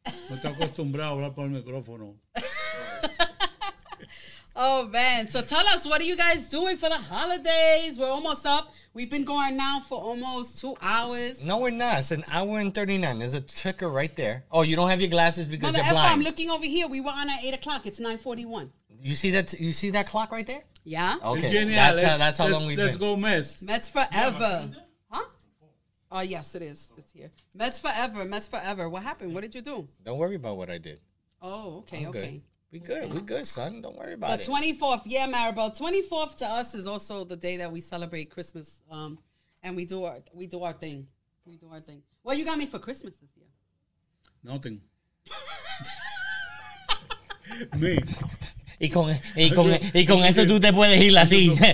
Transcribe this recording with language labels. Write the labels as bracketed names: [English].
[Spanish] No estoy acostumbrado a hablar por el micrófono. [English] Oh, man. So tell us, what are you guys doing for the holidays? We're almost up. We've been going now for almost 2 hours. No, we're not. It's 1:39. There's a ticker right there. Oh, you don't have your glasses because Mother you're blind. F, I'm looking over here. We were on at 8 o'clock. It's 9:41. You see that clock right there? Yeah. Okay. That's how long we've let's been. Let's go Mets. Mets forever. Huh? Oh, yes, it is. It's here. Mets forever. What happened? What did you do? Don't worry about what I did. Oh, okay. I'm okay. Good. We good, son. Don't worry about it. The 24th. Yeah, Maribel. 24th to us is also the day that we celebrate Christmas. And we do our thing. What you got me for Christmas this year? Nothing. Me. [Spanish] Y con eso tú te puedes ir así.